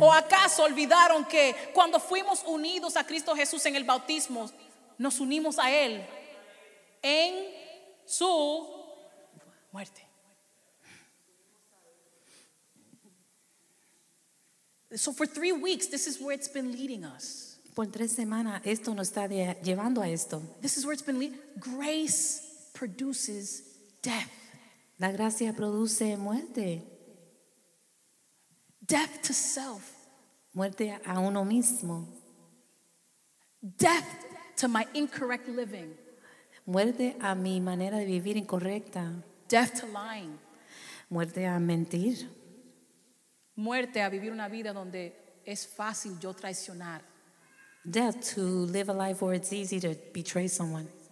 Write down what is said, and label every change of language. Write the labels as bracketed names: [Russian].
[Spanish] ¿O acaso olvidaron que cuando fuimos unidos a Cristo Jesús en el bautismo, nos unimos a Él en su muerte? [English] So for 3 weeks, this is where it's been leading us. [Spanish] Por tres semanas, esto nos está llevando a esto. [English] This is where it's been leading. Grace produces death. [Spanish] La gracia produce muerte. [English] Death to self. [Spanish] Muerte a uno mismo. [English] Death to my incorrect living. [Spanish] Muerte a mi manera de vivir incorrecta. [English] Death to lying. [Spanish] Muerte a mentir. Muerte a vivir una vida donde es fácil yo traicionar. [English] Death to live a life where it's easy to betray someone.